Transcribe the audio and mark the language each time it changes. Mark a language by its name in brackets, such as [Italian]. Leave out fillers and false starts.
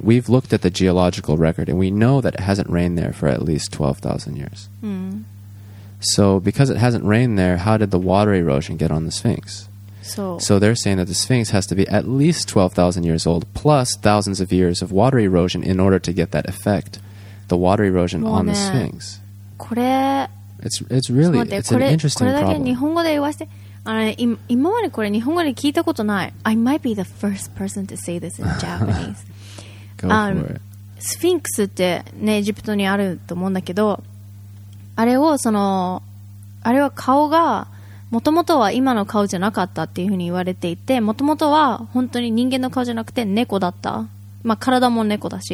[English] We've looked at the geological record, and we know that it hasn't rained there for at least 12,000 years. So because it hasn't rained there, how did the water erosion get on the Sphinx? So they're saying that the Sphinx has to be at least 12,000 years old, plus thousands of years of water erosion in order to get that effect. The water erosion on the Sphinx. It's really it's an interesting problem. [Japanese] これだけ日本語で言わせて、あの、今までこれ日本語で聞いたことない。 [English] I might be the first person to say this in Japanese. Go for it. [Japanese] スフィンクスってね、エジプトにあると思うんだけど、あれをその、あれは顔が、もともとは今の顔じゃなかったっていうふうに言われていて、もともとは本当に人間の顔じゃなくて猫だった。まあ体も猫だし。